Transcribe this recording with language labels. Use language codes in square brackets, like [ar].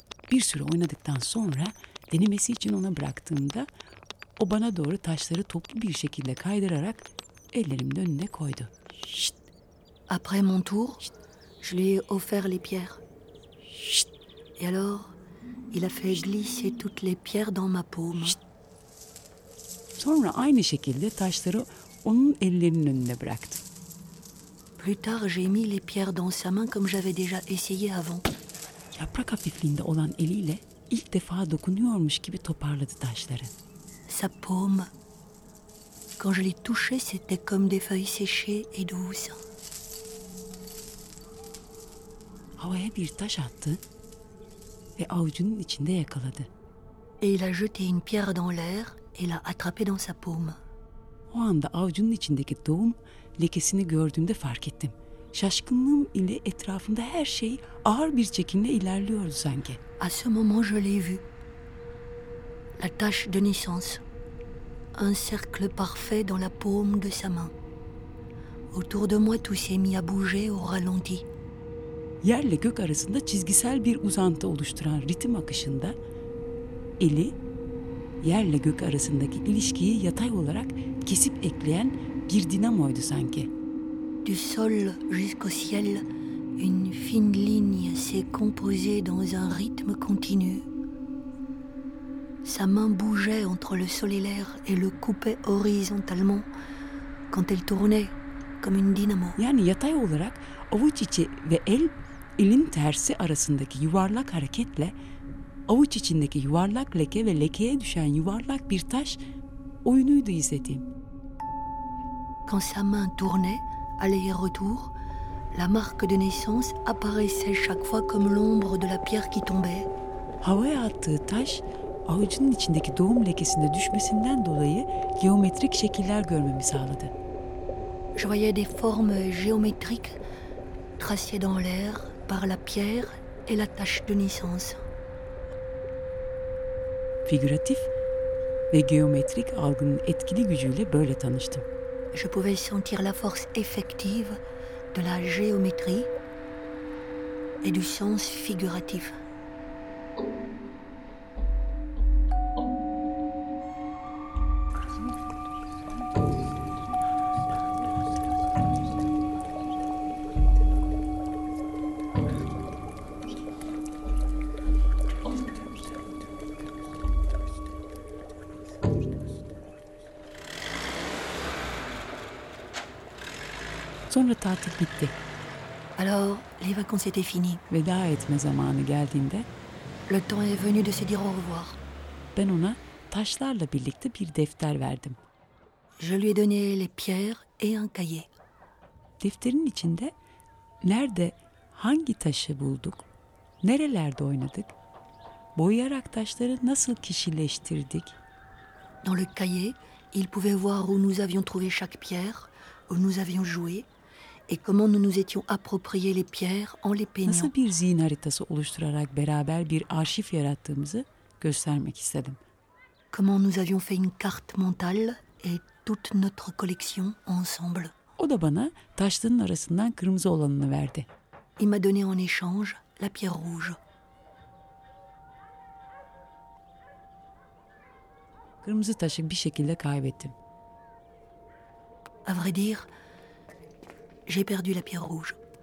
[tr] Bir süre oynadıktan sonra denemesi için ona bıraktığımda o bana doğru taşları toplu bir şekilde kaydırarak ellerimin önüne koydu. [fr] Şşt. Après mon tour, Şşt. Je lui ai offert les pierres. Şşt. Et alors, il a fait Şşt. Glisser toutes les pierres dans ma paume. Şşt. [tr] Sonra aynı şekilde taşları onun ellerinin önüne bıraktım. [fr] Plus tard, j'ai mis les pierres dans sa main comme j'avais déjà essayé avant. [tr] Yaprak hafifliğinde olan eliyle ilk defa dokunuyormuş gibi toparladı taşları. [fr] Sa paume. Quand je l'ai touché, c'était comme des feuilles séchées et douces. [tr] Havaya bir taş attı ve avucunun içinde yakaladı. [fr] Et il a jeté une pierre dans l'air et l'a attrapée dans sa paume. [tr] O anda avucunun içindeki doğum lekesini gördüğümde fark ettim. Şaşkınlığım ile etrafımda her şey ağır bir çekimle ilerliyordu sanki. [fr] À ce moment je l'ai vu. La tache de naissance. Un cercle parfait dans la paume de sa main. Autour de moi tout s'est mis à bouger au ralenti. [tr] yerle gök arasında çizgisel bir uzantı oluşturan ritim akışında eli yerle gök arasındaki ilişkiyi yatay olarak kesip ekleyen bir dinamoydu sanki. [fr] Du sol jusqu'au ciel, une fine ligne s'est composée dans un rythme continu. Sa main bougeait entre le sol et l'air et le coupait horizontalement quand elle tournait comme une dynamo. [tr] Yani yatay olarak avuç içi ve elin tersi arasındaki yuvarlak hareketle avuç içindeki yuvarlak leke ve lekeye düşen yuvarlak bir taş oyunuydu izlediğim. [fr] Quand sa main tournait, aller et retour, la marque de naissance apparaissait chaque fois comme l'ombre de la pierre qui tombait. [tr] Havaya attığı taş avucunun içindeki doğum lekesinde düşmesinden dolayı geometrik şekiller görmemi sağladı. [fr] Je voyais des formes géométriques tracées dans l'air par la pierre et la tache de naissance. [tr] Figüratif ve geometrik algının etkili gücüyle böyle tanıştım. [fr] Je pouvais sentir la force effective de la géométrie et du sens figuratif. [tr] Sonra tatil bitti. [fr] Alors, les vacances étaient finies. [tr] Veda etme zamanı geldiğinde, [fr] le temps est venu de se dire au revoir. [tr] Ben ona taşlarla birlikte bir defter verdim. [fr] Je lui ai donné les pierres et un cahier. [tr] Defterin içinde nerede hangi taşı bulduk, nerelerde oynadık, boyayarak taşları nasıl kişileştirdik. [fr] Dans le cahier, il pouvait voir où nous avions trouvé chaque pierre, où nous avions joué. Et comment nous nous étions approprié les pierres en les peignant. [tr] Nasıl bir zihin haritası oluşturarak beraber bir arşiv yarattığımızı göstermek istedim. [fr] Comment nous avions fait une carte mentale et toute notre collection ensemble. [tr] O da bana taşların arasından kırmızı olanını verdi. [fr] Il m'a donné en échange la pierre rouge. [tr] Kırmızı taşı bir şekilde kaybettim. [fr] À vrai dire, j'ai perdu la pierre rouge.